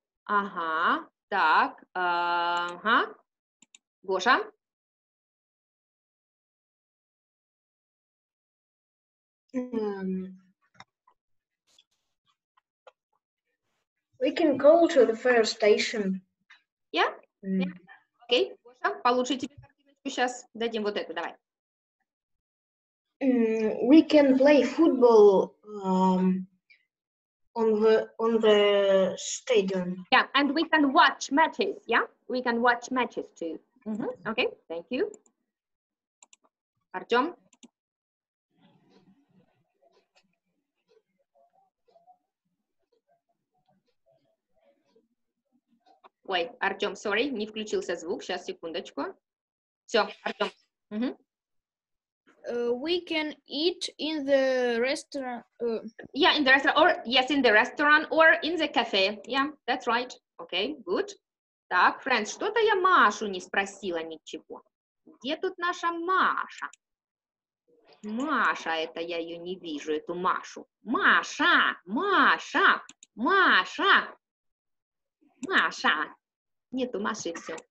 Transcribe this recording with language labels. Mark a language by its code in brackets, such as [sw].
[ru] Ага, так, ага, Гоша? [en] We can go to the fire station. Yeah, [ru] Окей, Гоша, получше тебе картиночку сейчас дадим вот эту, давай. [en] We can play football on the stadium. Yeah, and we can watch matches, yeah? We can watch matches too. Mm-hmm. Okay, thank you. Артём? [ru] Ой, Артём, sorry, не включился звук. Сейчас, секундочку. Всё, Артём. Mm-hmm. [en] We can eat in the restaurant. Yeah, in the restaurant. Or, yes, in the restaurant or in the cafe. Yeah, that's right. Okay, good. [ru] Так, Фрэнс, что-то я Машу не спросила ничего. Где тут наша Маша? Маша, это я ее не вижу, эту Машу. Маша, Маша, Маша, Маша. Нету Маши, все.